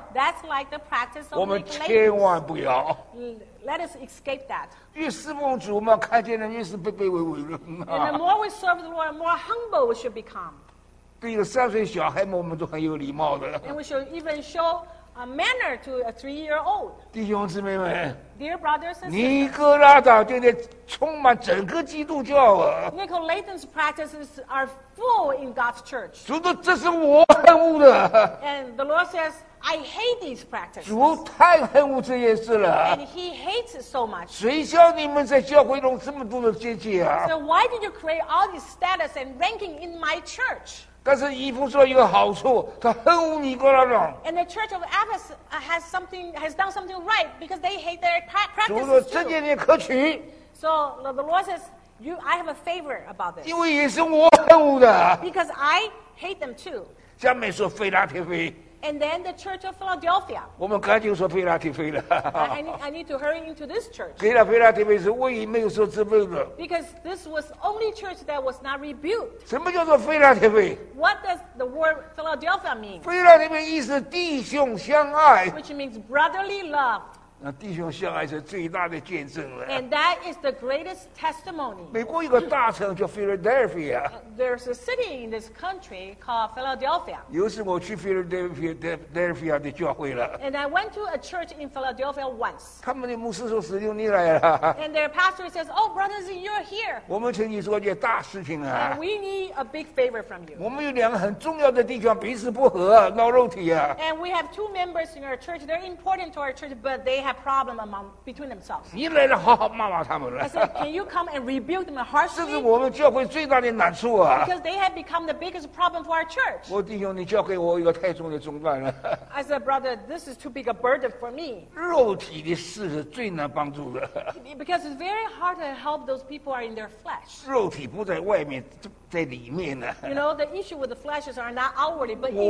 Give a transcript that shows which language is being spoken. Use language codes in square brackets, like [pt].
[en] That's like the practice of the. [zh] 我们千万不要。 [en] Let us escape that. [zh] 越侍奉主嘛，看见人越是卑卑微微的。 [en] And the more we serve the Lord, more humble we should become. [zh] 对一个3岁小孩嘛，我们都很有礼貌的。 [en] And we should even show a manner to a 3-year-old. [zh] 弟兄姊妹们。 [en] Dear brothers and sisters. [zh] 尼哥拉党就得充满整个基督教啊。 [en] Nicolaitans practices are full in God's church. [zh] 主的，这是我恨恶的。 [en] And the Lord says, I hate these practices. [zh] 主太恨恶这件事了。 [en] And he hates it so much. [zh] 谁叫你们在教会弄这么多的阶级啊。 [en] So why did you create all these status and ranking in my church? [zh] 但是以弗所有一个好处，他恨恶尼哥拉党。 [en] And the church of Ephesus has done something right because they hate their practices. [zh] 主说这件事可取。 [en] So the Lord says, I have a favor about this. [zh] 因为也是我恨恶的。 [en] Because I hate them too. [zh] 下面说腓拉铁腓。 [en] And then the church of Philadelphia. [zh] 我们赶紧说腓拉铁腓了。 [en] I need to hurry into this church. [zh] 腓拉铁腓是唯一没有受责备的。 [en] Because this was only church that was not rebuked. [zh] 什么叫做腓拉铁腓？ [en] What does the word Philadelphia mean? [zh] 腓拉铁腓意思弟兄相爱。 [en] Which means brotherly love. [zh] 那弟兄相爱是最大的见证了。 [en] And that is the greatest testimony. [zh] 美国有个大城叫 Philadelphia. [en] There's a city in this country called Philadelphia. [zh] 有时我去 Philadelphia 的教会了。 [en] And I went to a church in Philadelphia once. [zh] 他们的牧师说：“史蒂夫，你来了。” [en] And their pastor says, "Oh, brothers, you're here." [zh] 我们请你做件大事情啊。 [en] And we need a big favor from you. [zh] 我们有两个很重要的弟兄彼此不和，闹肉体啊。 [en] And we have two members in our church. They're important to our church, but they have problem among between themselves. [zh] 你来了，好好骂骂他们了。 [en] I said, "Can you come and rebuke them harshly?" [zh] 这是我们教会最大的难处啊。 [en] Because they have become the biggest problem for our church. [zh] 我弟兄，你交给我一个太重的重担了。 [en] I said, "Brother, this is too big a burden for me." [zh] 肉体的事是最难帮助的。 [en] Because it's very hard to help those people who are in their flesh. [zh] 肉体不在外面，在里面呢。 [en] You know, the issue with the fleshes are not outwardly, but internally.